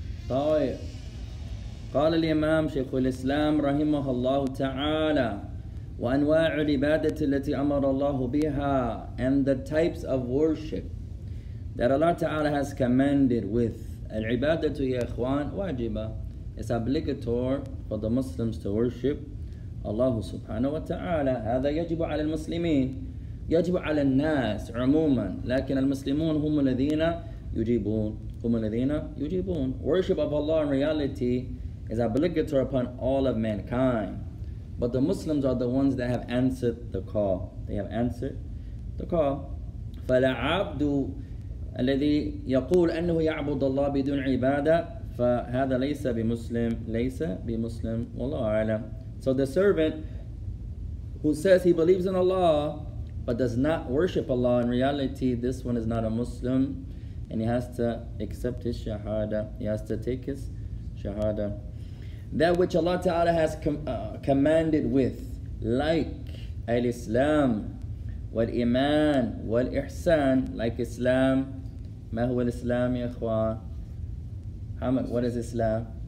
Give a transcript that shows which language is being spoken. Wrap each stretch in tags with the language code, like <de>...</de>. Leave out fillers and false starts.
<ar>طيب قال الإمام شيخ الإسلام رحمه الله تعالى وأنواع العبادة التي أمر الله بها</ar> <en>and the types of worship that Allah Ta'ala has commanded with.</en> <ar>العبادة يا إخوان واجبة.</ar> <en>It's obligatory for the Muslims to worship Allah</en> <ar>سبحانه وتعالى. هذا يجب على المسلمين, يجب على الناس عموما, لكن المسلمون هم الذين يجيبون, هم الذين يجيبون.</ar> <en>Worship of Allah in reality is obligatory upon all of mankind. But the Muslims are the ones that have answered the call. They have answered the call.</en> <ar>فلا عبد الذي يقول أنه يعبد الله بدون عبادة فهذا ليس بمسلم, ليس بمسلم والله أعلم.</ar> <en>So the servant who says he believes in Allah but does not worship Allah, in reality this one is not a Muslim, and he has to accept his shahada. He has to take his shahada. That which Allah Ta'ala has commanded with, like al-Islam, wal-Iman, wal-Ihsan, like Islam.</en> <ar>ما هو الإسلام يا إخوان؟</ar> <en>What is Islam?</en>